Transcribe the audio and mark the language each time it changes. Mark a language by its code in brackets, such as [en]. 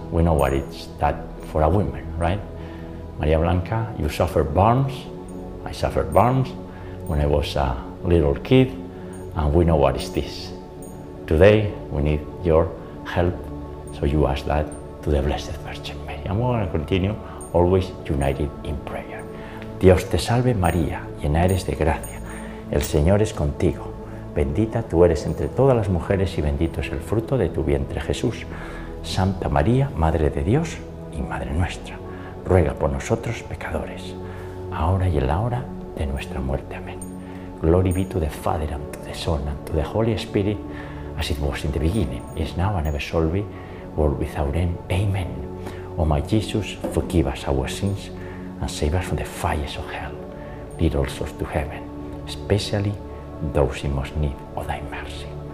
[en] We know what it's that for a woman, right? Maria Blanca, you suffered burns. I suffered burns when I was a little kid, and we know what is this. Today, we need your help, so you ask that to the Blessed Virgin Mary. And we're going to continue always united in prayer. [es] Dios te salve, María, llena eres de gracia. El Señor es contigo. Bendita tú eres entre todas las mujeres y bendito es el fruto de tu vientre, Jesús. Santa María, Madre de Dios y Madre nuestra, ruega por nosotros, pecadores, ahora y en la hora de nuestra muerte. Amén. [en] Glory be to the Father, and to the Son, and to the Holy Spirit, as it was in the beginning, is now, and ever shall be, world without end. Amen. O my Jesus, forgive us our sins, and save us from the fires of hell. Lead all souls to heaven, especially those in most need of thy mercy.